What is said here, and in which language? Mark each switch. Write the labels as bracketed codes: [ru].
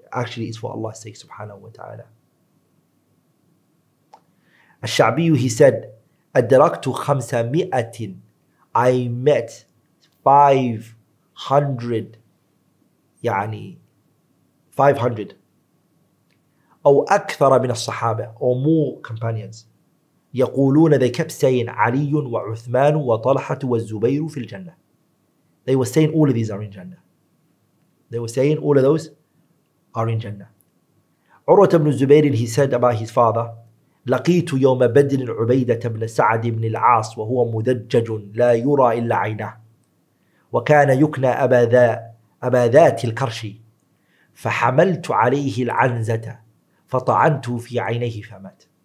[en] Actually, it's for Allah's sake, subhanahu wa ta'ala. [ar] الشعبي, [en] he said, [ar] أدركت خمسمائة. [en] I met 500, [ar] يعني 500 أو أكثر من الصحابة, [en] or more companions. [ar] يقولون, [en] they kept saying, [ar] علي وعثمان وطلحة والزبير في الجنة. [en] They were saying all of these are in Jannah. They were saying all of those are in Jannah. [ar] عروة بن الزبير, [en] he said about his father, [ar] لقيت يوم بدر عبيدة بن سعد بن العاص وهو مدجج لا يرى إلا عينه وكان يكنى أبا ذات الكرش فحملت عليه العنزة فطعنت في عينيه فمات.